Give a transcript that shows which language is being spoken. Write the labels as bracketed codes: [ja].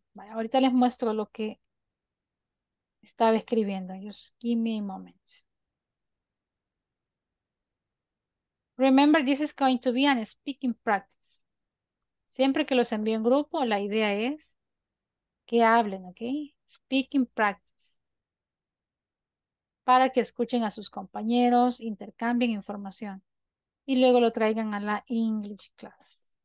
[es] Vale, ahorita les muestro lo que estaba escribiendo. [en] Just give me a moment. Remember, this is going to be a speaking practice. [es] Siempre que los envío en grupo, la idea es que hablen, ¿ok? [en] Speaking practice. [es] Para que escuchen a sus compañeros, intercambien información y luego lo traigan a la [en] English class.